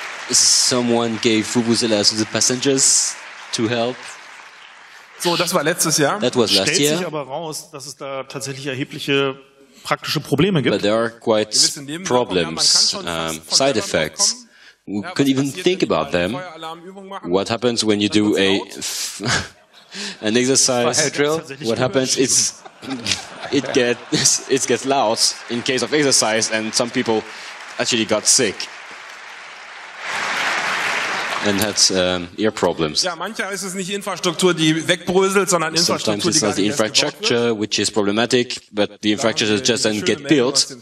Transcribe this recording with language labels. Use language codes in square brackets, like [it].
[en] Someone gave vuvuzelas to the passengers to help. [de] So, das war letztes Jahr. [en] That was last year. [de] Stellt sich aber raus, dass es da tatsächlich erhebliche praktische Probleme gibt. [en] But there are quite problems, side effects. We could even think about them. What happens when you do an exercise drill? What happens? It gets loud in case of exercise, and some people actually got sick and had ear problems. [de] Ja, manchmal ist es nicht Infrastruktur, die wegbröselt, sondern Infrastruktur, die gar nicht [en] Infrastructure, which is problematic, but the infrastructure just doesn't get built.